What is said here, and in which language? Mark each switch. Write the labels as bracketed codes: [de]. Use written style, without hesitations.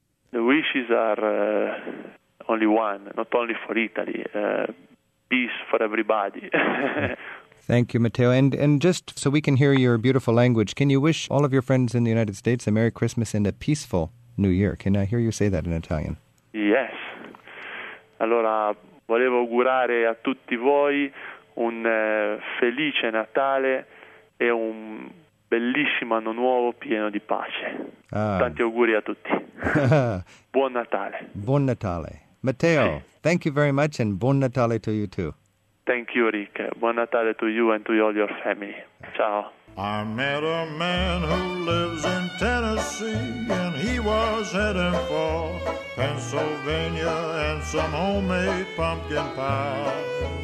[en] The wishes are only one, not only for Italy. Peace for everybody. Thank you, Matteo. And just so we can hear your beautiful language, can you wish all of your friends in the United States a Merry Christmas and a peaceful New Year? Can I hear you say that in Italian? Yes. [it] Allora, volevo augurare a tutti voi un felice Natale e un bellissimo anno nuovo pieno di pace. Tanti auguri a tutti. Buon Natale. Buon Natale. [en] Matteo, thank you very much and [it] Buon Natale [en] to you too. Thank you, Rick. [it] Buon Natale [en] to you and to all your family. [it] Ciao. [en] I met a man who lives in Tennessee, and he was heading for Pennsylvania and some homemade pumpkin pie.